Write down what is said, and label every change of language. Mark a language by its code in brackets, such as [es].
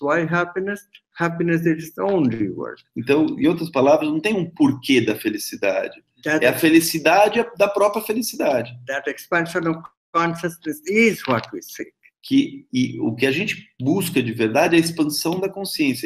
[en] Why happiness? Happiness is its own reward. [pt] Então, em outras palavras, não tem um porquê da felicidade. É a felicidade da própria felicidade. [en] That expansion of consciousness is what we seek. [pt] Que, e o que a gente busca de verdade é a expansão da consciência.